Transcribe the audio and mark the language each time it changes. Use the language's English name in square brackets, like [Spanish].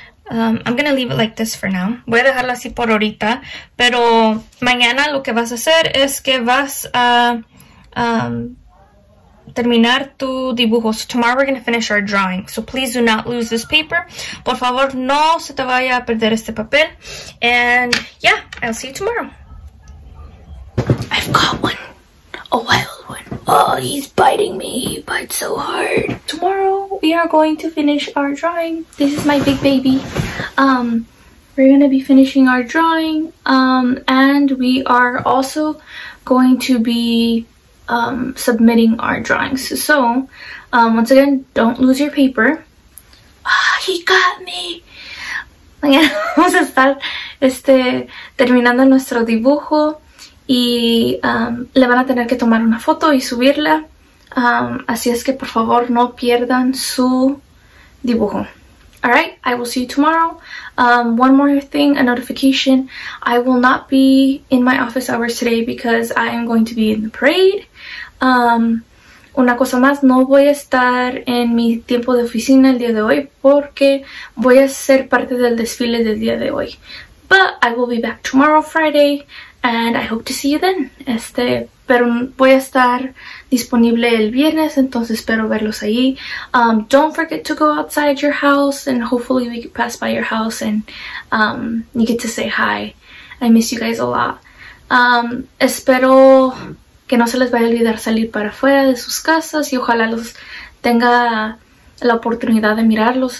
[English] I'm going to leave it like this for now. [Spanish] Voy a dejarla así por ahorita. Pero mañana lo que vas a hacer es que vas a terminar tu dibujo. [English] So tomorrow we're going to finish our drawing. So please do not lose this paper. [Spanish] Por favor, no se te vaya a perder este papel. [English] And yeah, I'll see you tomorrow. I've got one. A wild one. Oh, he's biting me. He bites so hard. Tomorrow, we are going to finish our drawing. This is my big baby. We're going to be finishing our drawing. And we are also going to be submitting our drawings. So, once again, don't lose your paper. Ah, oh, he got me. [Spanish] Vamos a estar terminando nuestro dibujo. Y le van a tener que tomar una foto y subirla. Así es que por favor no pierdan su dibujo. [English] Alright, I will see you tomorrow. One more thing, a notification. I will not be in my office hours today because I am going to be in the parade. [Spanish] Una cosa más, no voy a estar en mi tiempo de oficina el día de hoy porque voy a ser parte del desfile del día de hoy. [English] But I will be back tomorrow, Friday. And I hope to see you then. [Spanish] Pero voy a estar disponible el viernes, entonces espero verlos ahí. [English] Don't forget to go outside your house and hopefully we can pass by your house and you get to say hi. I miss you guys a lot. [Spanish] Espero que no se les vaya a olvidar salir para afuera de sus casas y ojalá los tenga la oportunidad de mirarlos.